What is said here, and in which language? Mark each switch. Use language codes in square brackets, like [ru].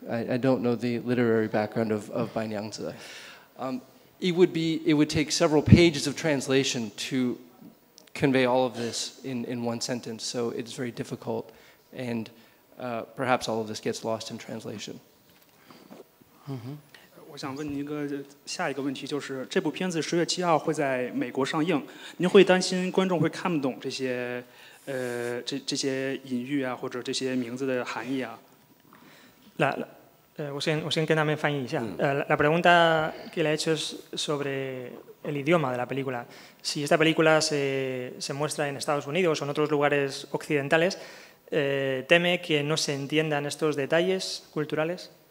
[en] I don't know the literary background of Bai Niangzi. It would take several pages of translation to convey all of this in one sentence, so it's very difficult, and perhaps all of this gets lost in translation. Mm-hmm. [zh] 我想问您一个下一个问题，就是这部片子十月七号会在美国上映，您会担心观众会看不懂这些这些隐喻啊，或者这些名字的含义啊？我先跟他们翻译一下。 [es] La pregunta que le he hecho es sobre el idioma de la película. Si esta película se muestra en Estados Unidos o en otros lugares occidentales, teme que no se entiendan estos detalles culturales.